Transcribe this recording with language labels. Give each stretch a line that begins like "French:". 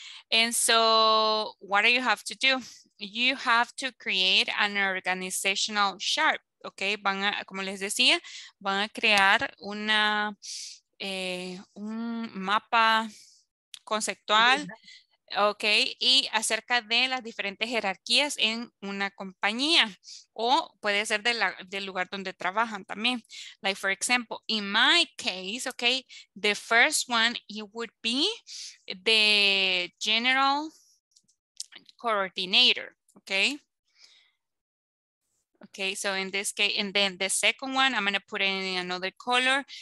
English: And so, what do you have to do? You have to create an organizational chart, okay?
Spanish: Van a, como les decía, van a crear una un mapa conceptual, okay, y acerca de las diferentes jerarquías en una compañía, o puede ser de la, del lugar donde trabajan también.
English: Like for example, in my case, okay, the first one it would be the general coordinator. Okay. Okay, so in this case, and then the second one, I'm gonna put it in another color.